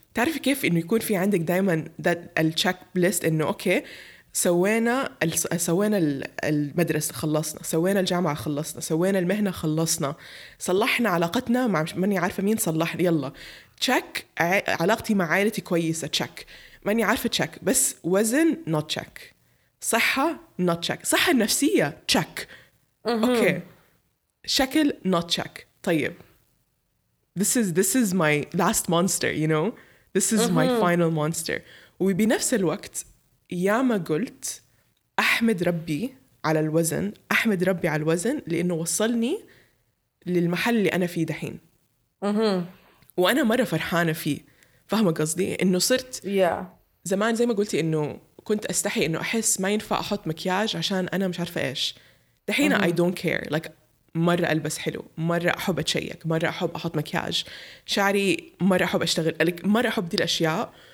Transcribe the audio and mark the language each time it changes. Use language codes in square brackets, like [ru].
[ar] تعرف كيف إنه يكون في عندك دائما [en] that check list [ar] إنه [en] okay, [ar] سوينا المدرسة خلصنا, سوينا الجامعة خلصنا, سوينا المهنة خلصنا, صلحنا علاقتنا مع ماني عارفة مين, صلح يلا check, علاقتي مع عائلتي كويسة check, ماني عارفة check, بس وزن [en] not check, [ar] صحة not check, صحة نفسية check, okay, شكل not check. طيب [en] this is my last monster, you know, this is my final monster. [ar] وبنفس الوقت يا ما قلت أحمد ربي على الوزن, أحمد ربي على الوزن لأنه وصلني للمحل اللي أنا فيه دحين. وأنا مرة فرحانة فيه, فهم قصدي إنه صرت زمان زي ما قلتي إنه كنت أستحي إنه أحس ما ينفع أحط مكياج عشان أنا مش عارفة إيش, دحين [en] I don't care, [ar] like مرة ألبس حلو, مرة أحب أتشيك, مرة أحب أحط مكياج, شعري مرة أحب أشتغل, like مرة أحب دي الأشياء.